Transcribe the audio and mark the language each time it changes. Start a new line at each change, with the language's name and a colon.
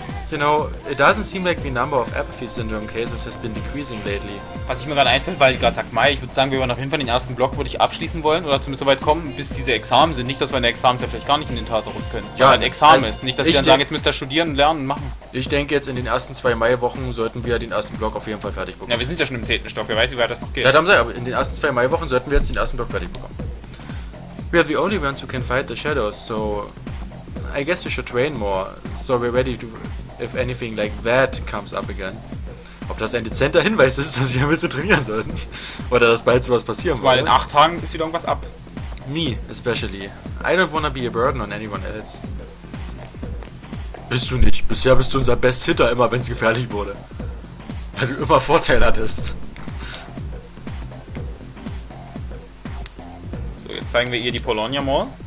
English: You know, it doesn't seem like the number of apathy syndrome cases has been decreasing lately.
German: Was ich mir gerade einfällt, weil ich gerade sag Mai, ich würde sagen, wir wollen auf jeden Fall den ersten Block würde ich abschließen wollen oder zumindest soweit kommen, bis diese Examen sind. Nicht, dass wir in der Examen ja vielleicht gar nicht in den Tartarus können. Ja, ein Examen ist. Nicht, dass wir dann sagen, jetzt müsst ihr studieren, lernen, machen. Ich denke, jetzt in den ersten 2 Maiwochen sollten wir den ersten Block auf jeden Fall fertig bekommen. Ja, wir sind ja schon im 10. Stock, wer weiß, wie weit das noch geht. Ja, dann sag ich, aber in den ersten 2 Maiwochen sollten wir jetzt den ersten Block fertig bekommen.
English: We are the only ones who can fight the shadows, so I guess we should train more, so we're ready to... If anything like that comes up again.
German: Ob das ein dezenter Hinweis ist, dass wir ein bisschen trainieren sollten? Oder dass bald sowas passieren würde? Weil in 8 Tagen ist wieder irgendwas ab.
English: Me, especially. I don't wanna be a burden on anyone else.
German: Bist du nicht. Bisher bist du unser Best-Hitter immer, wenn es gefährlich wurde. Weil du immer Vorteil hattest. So, jetzt zeigen wir ihr die Polonia Mall.